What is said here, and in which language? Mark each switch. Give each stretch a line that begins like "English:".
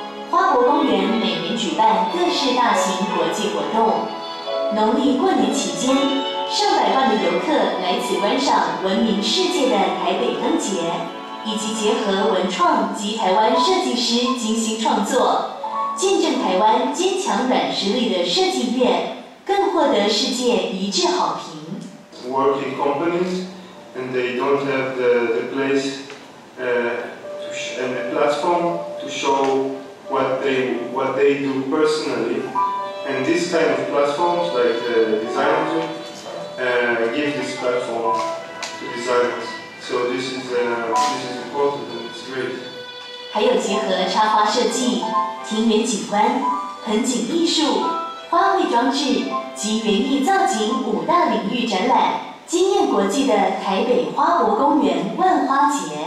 Chinese: 花博公园每年举办各式大型国际活动，农历过年期间，上百万的游客来此观赏闻名世界的台北灯节，以及结合文创及台湾设计师精心创作，见证台湾坚强软实力的设计院，更获得世界一致好评。
English: Working companies and they don't have the place and a platform to show what they do personally. And this kind of platforms like designers give this platform to designers. So this is important and it's great.
Chinese: 还有结合插花设计、庭园景观、盆景艺术、花卉装置及园艺造景五大领域展览，惊艳国际的台北花博公园万花节。